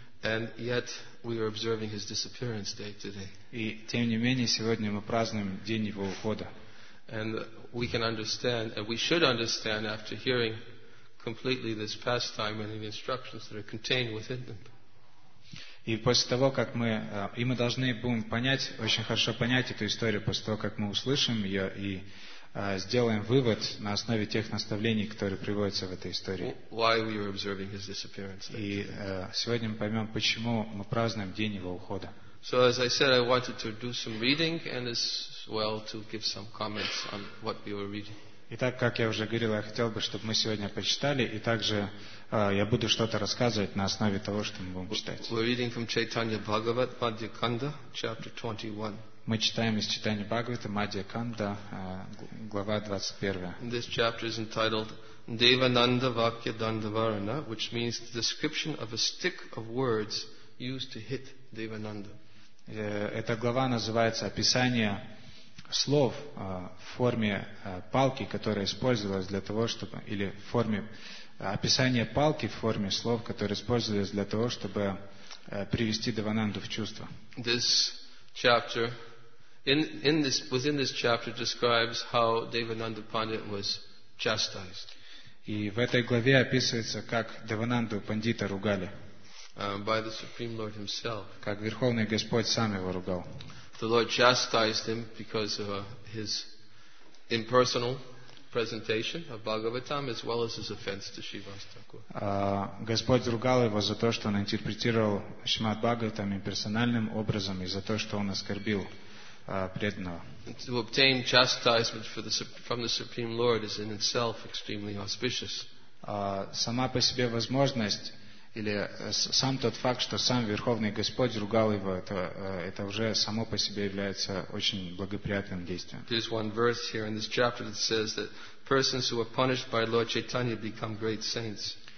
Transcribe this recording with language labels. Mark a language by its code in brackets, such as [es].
[en] And yet we are observing his disappearance day today. [ru] И тем не менее сегодня мы празднуем день его ухода. [en] And we can understand, and we should understand after hearing completely this pastime and the instructions that are contained within them. [ru] И после того, как мы должны будем понять, очень хорошо понять эту историю, после того, как мы услышим ее и сделаем вывод на основе тех наставлений, которые приводятся в этой истории. [en] Why we are observing his disappearance. [ru] И сегодня мы поймем, почему мы празднуем день его ухода. [en] So, as I said, I wanted to do some reading and as well to give some comments on what we were reading. [ru] Итак, как я уже говорил, я хотел бы, чтобы мы сегодня почитали, и также я буду что-то рассказывать на основе того, что мы будем читать. [en] We're reading from Chaitanya Bhagavat, Madhya Kanda, chapter 21. [ru] Мы читаем из Чайтаньи Бхагаваты, Мадья Канда, глава 21. [en] This chapter is entitled Devananda Vakya Dandavarana, which means the description of a stick of words used to hit Devananda. [ru] Эта глава называется «Описание слов в форме палки, которая использовалась для того, чтобы...» или в форме «Описание палки в форме слов, которые использовались для того, чтобы привести Девананду в чувство». [en] This chapter... within this chapter describes how Devananda Pandit was chastised. [ru] И в этой главе описывается, как Девананду Пандита ругали. [en] By the Supreme Lord himself. [ru] Как Верховный Господь сам его ругал. [en] The Lord chastised him because of his impersonal presentation of Bhagavatam as well as his offense to Shivastaku. [ru] Господь ругал его за то, что он интерпретировал Шримад Бхагаватам имперсональным образом и за то, что он оскорбил преданного. [en] To obtain chastisement from the Supreme Lord is in itself extremely auspicious. [ru] Сама по себе возможность или сам тот факт, что сам Верховный Господь ругал его, это уже само по себе является очень благоприятным действием. [en] There's one verse here in this chapter that says that persons who are punished by Lord Chaitanya become great saints.